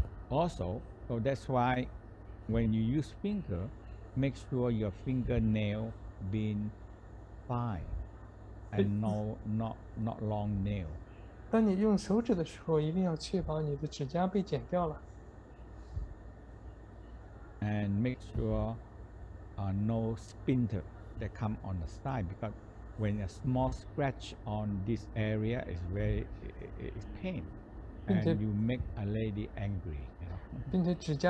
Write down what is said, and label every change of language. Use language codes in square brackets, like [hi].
[en] also so that's why when you use finger make sure your fingernail been fine And not long nail. [zh] 当你用手指的时候，一定要确保你的指甲被剪掉了。And [en] make sure, no splinter that come on the side because when a small scratch on this area is very it's pain, and you make a lady angry.